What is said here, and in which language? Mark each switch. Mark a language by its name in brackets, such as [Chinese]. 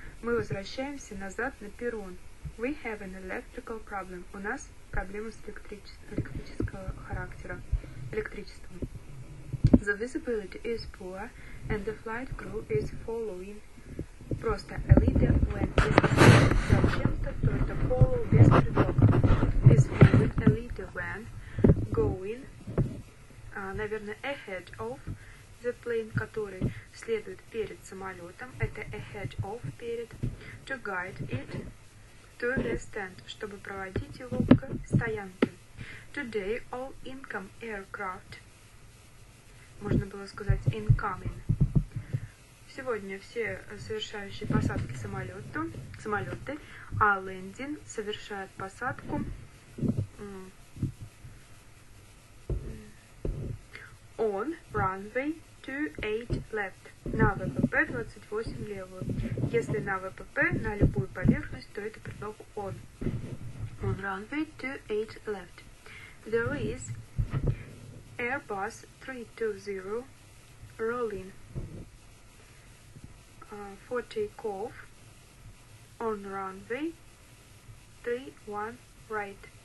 [Russian] Мы возвращаемся назад на перрон. [English] We have an electrical problem. [Russian] У нас проблемы с электрического характера, электричеством. [English] The visibility is poor and the flight crew is following. [Russian] Просто [English] a leader went [Russian] зачем-то, то это follow без предлога. [English] Is following a leader when going, [Russian] наверное, [English] ahead of the plane, [Russian] который следует перед самолетом. Это [English] ahead of, [Russian] перед, [English] to guide it to the stand, [Russian] чтобы проводить его к стоянке. [English] Today all income aircraft, [Russian] можно было сказать [English] incoming. [Russian] Сегодня все совершающие посадки самолеты, а landing совершает посадку [English] on runway 28 left, [Russian] на ВПП 28 левую. Если на ВПП, на любую поверхность, то это предлог on. [English] On runway 28 left. There is Airbus 320 rolling for takeoff on runway 31 right.